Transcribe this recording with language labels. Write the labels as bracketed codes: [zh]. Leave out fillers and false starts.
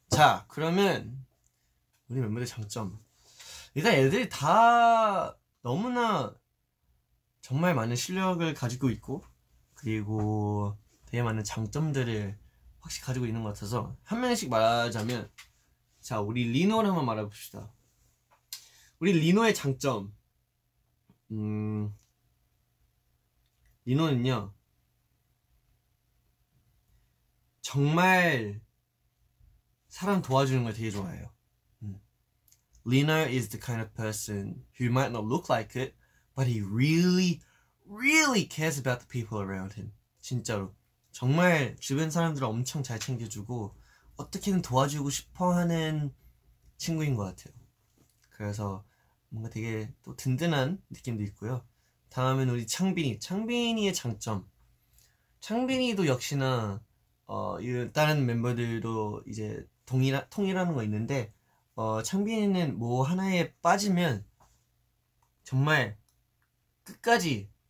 [ko] 자, 그러면 우리 멤버들 장점. 일단 애들이 다 너무나 정말 많은 실력을 가지고 있고, 그리고 되게 많은 장점들을 확실히 가지고 있는 것 같아서 한 명씩 말하자면, 자, 우리 리노를 한번 말해봅시다. 우리 리노의 장점. 리노는요, 정말 사람 도와주는 걸 되게 좋아해요. [en] Lino is the kind of person who might not look like it, but he really, really cares about the people around him. [ko] 진짜로. 정말 주변 사람들을 엄청 잘 챙겨주고 어떻게든 도와주고 싶어하는 친구인 것 같아요. 그래서 뭔가 되게 또 든든한 느낌도 있고요. 다음은 우리 창빈이. 창빈이의 장점. 창빈이도 역시나 다른 멤버들도 이제 통일하는 거 있는데, 창빈이는 뭐 하나에 빠지면 정말 끝까지